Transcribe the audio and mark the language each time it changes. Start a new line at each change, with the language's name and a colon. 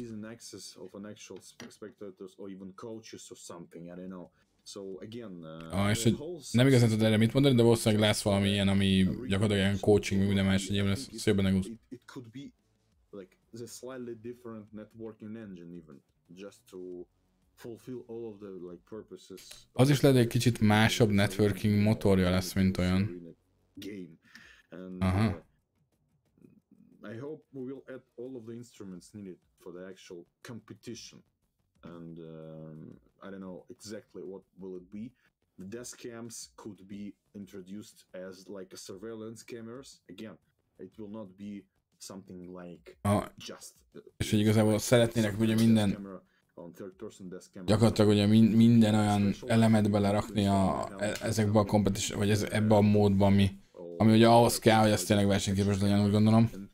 English: He's an access of an actual spectators or even coaches or something, I don't know. So again,
Hungarian: és hogy nem igazán tudod erre mit mondani, de valószínűleg lesz valami ilyen, ami gyakorlatilag ilyen coaching, minden más, hogy ilyen lesz, szépen egúz.
English: It could be like the slightly different networking engine even, just to fulfill all of the like purposes.
Hungarian: Az is lehet, egy kicsit másabb networking motorja lesz, mint olyan.
English: Game. And I hope we will add all of the instruments needed for the actual competition. And I don't know exactly what will it be. The desk cams could be introduced as like a surveillance cameras. Again, it will not be something like just
Hungarian: És hogy igazából szeretnének ugye minden gyakorlatilag ugye minden olyan elemet belerakni ezekbe a competition, vagy ebbe a módba, ami ugye ahhoz kell, hogy ez tényleg versenyképes legyen, úgy gondolom.